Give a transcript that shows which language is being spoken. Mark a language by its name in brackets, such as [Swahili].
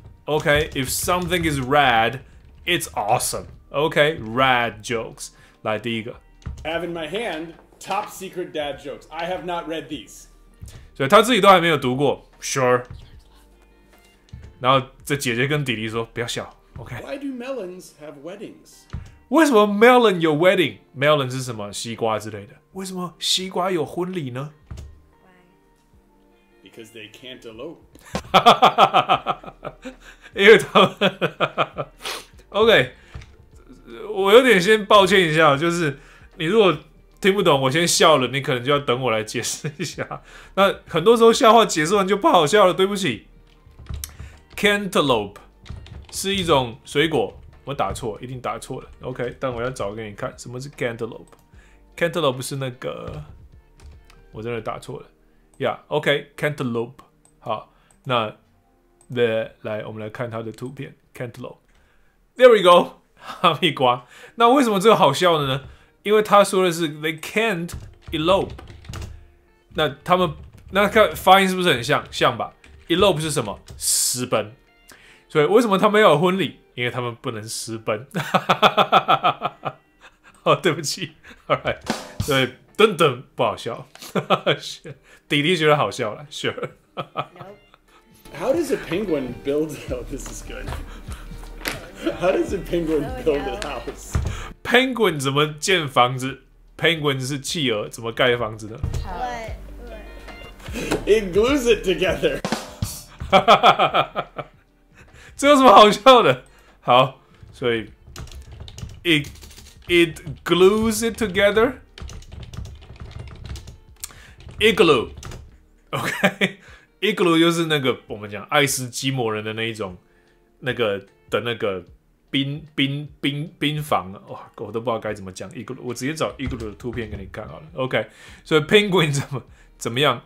[English] OK， if something is rad， it's awesome。 OK， rad jokes。 [Chinese] 来第一个 [English] ，have in my hand top secret dad jokes. I have not read these， [Chinese] 所以他自己都还没有读过。 [English] Sure。 [Chinese] 然后这姐姐跟弟弟说，不要笑。 [English] Okay. Why do melons have weddings? [Chinese] 为什么 melon 有 wedding? Melon 是什么？西瓜之类的。为什么西瓜有婚礼呢？ [English] Because they can't elope. [Chinese] 因为他们OK， 我有点先抱歉一下，就是你如果听不懂，我先笑了，你可能就要等我来解释一下。那很多时候笑话解释完就不好笑了，对不起。Cantaloupe。是一种水果，我打错，一定打错了。OK， 但我要找给你看，什么是 cantaloupe？ Cantaloupe 是那个，我真的打错了。 Yeah， OK， cantaloupe。好，那的来，我们来看它的图片。 [English] Cantaloupe， there we go， 哈密瓜。 [Chinese] 那为什么这个好笑的呢？因为他说的是 they can't elope。那他们那看发音是不是很像？像吧 ？Elope 是什么？私奔。所以为什么他们要有婚礼？因为他们不能私奔。哦，对不起 ， [English] All right， [Chinese] 所以等等不好笑。弟弟觉得好笑了 ，Sure。 [English] How does a penguin build? Oh, this is good. How does a penguin build a house? [Chinese] Penguin 怎么建房子 ？Penguin 是企鹅，怎么盖房子呢 [English] ？It glues it together. [Chinese] 这有什么好笑的？好，所以 [English] it glues it together， [Chinese] igloo， OK， igloo 就是那个我们讲爱斯基摩人的那一种那个的那个冰房啊，哇，我都不知道该怎么讲 igloo， 我直接找 igloo 的图片给你看好了， OK， 所以 penguin 怎么样？